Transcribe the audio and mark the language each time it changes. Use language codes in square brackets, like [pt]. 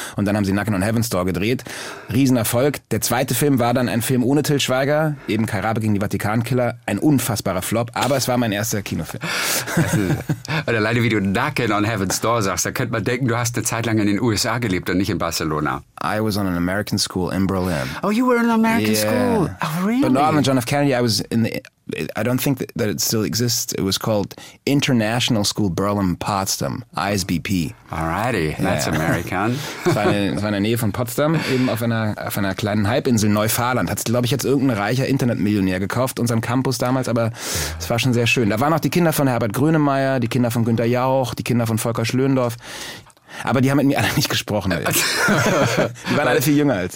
[de] Und dann haben sie Knocking on Heaven's Door gedreht. Riesenerfolg. Der zweite Film war dann ein Film ohne Til Schweiger. Eben Kai Rabe gegen die Vatikankiller. Ein unfassbarer Flop. Aber es war mein erster Kinofilm. Und alleine wie du Knocking on Heaven's Door sagst, da könnte man denken, du hast eine Zeit lang in den USA gelebt und nicht in Barcelona. [en] I was on an American school in Berlin. Oh, you were in an American school? Oh, really? But not on John F. Kennedy. I was in the... I don't think that it still exists. It was called International School Berlin-Potsdam, ISBP. Alrighty, that's American. [de] Es war in der Nähe von Potsdam, eben auf einer kleinen Halbinsel, Neufahrland. Hat es, glaube ich, jetzt irgendein reicher Internetmillionär gekauft, unserem Campus damals, aber es war schon sehr schön. Da waren auch die Kinder von Herbert Grönemeyer, die Kinder von Günter Jauch, die Kinder von Volker Schlöndorff. Aber die haben mit mir alle nicht gesprochen. Die waren alle viel jünger als.